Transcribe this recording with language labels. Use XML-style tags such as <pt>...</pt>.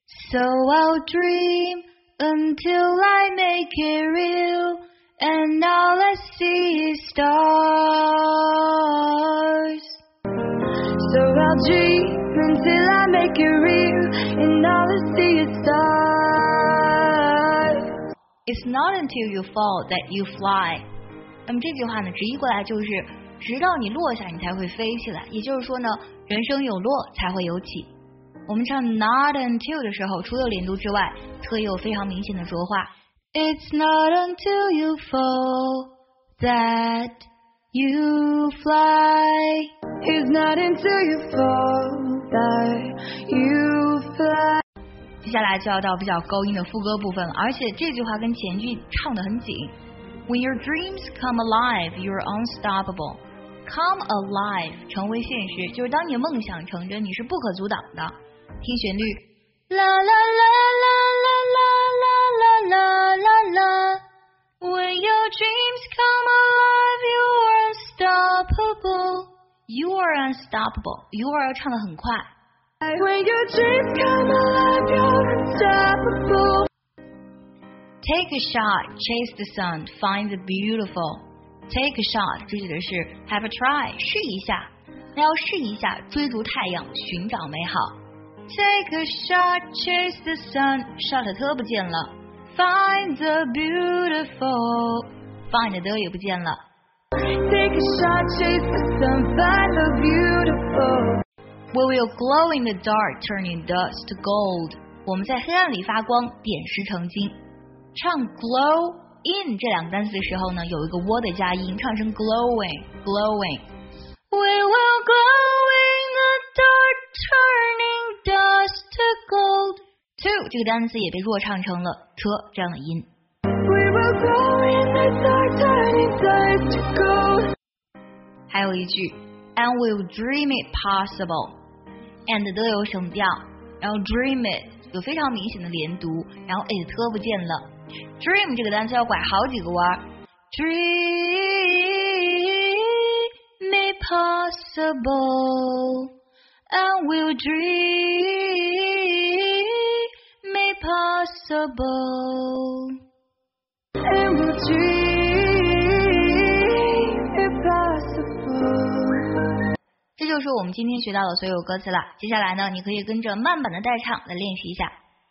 <en>So I'll dream until I make it real, and all I see is stars. So I'll dream until I make it real, and all I see is stars. It's not until you fall that you fly.</en> <zh>那么这句话呢，直译过来就是，直到你落下，你才会飞起来。也就是说呢，人生有落才会有起。我们唱</zh> <en>not until</en> <zh>的时候，除了连读之外，特意有非常明显的浊化。</zh> <en>It's not until you fall that you fly. It's not until you fall that you fly.</en> <zh>接下来就要到比较高音的副歌部分了，而且这句话跟前句唱得很紧。</zh> <en>When your dreams come alive, you're unstoppable. Come alive,</en> <zh>成为现实，就是当你梦想成真，你是不可阻挡的。听旋律，啦啦啦啦啦啦啦啦啦啦啦。</zh> <en>When your dreams come alive, you are unstoppable. You are unstoppable. You are</en> <zh>唱得很快。</zh> <en>When your dreams come alive, you're unstoppable. Take a shot, chase the sun, find the beautiful. Take a shot,</en> <zh>这指的是</zh> <en>have a try,</en> <zh>试一下。那要试一下，追逐太阳，寻找美好。</zh> <en>Take a shot, chase the sun,</en> <zh>shot 的不见了。</zh> <en>Find the beautiful,</en> <zh>find 的也不见了。</zh> <en>Take a shot, chase the sun, find the beautiful. We will glow in the dark, turning dust to gold.</en> <zh>我们在黑暗里发光，点石成金。唱</zh> <en>glow in</en> <zh>这两个单词的时候呢，有一个窝的加音，唱成</zh> <en>glowing, glowing. We will glow in the dark, turning dust to gold.</en> <zh>To 这个单词也被弱唱成了车这样的音。</zh> <en>We will glow in the dark, turning dust to gold.</en> <zh>还有一句</zh> <en>，and we'll dream it possible.</en> <zh>And 都有省调，然后</zh> <en>dream it</en> <zh>有非常明显的连读，然后 it 不见了。 Dream 这个单词要拐好几个弯。</zh> <en>Dream it possible, and we'll dream it possible, and we'll dream it possible.</en> <zh>这就是我们今天学到的所有歌词了。接下来呢，你可以跟着慢版的代唱来练习一下。</zh>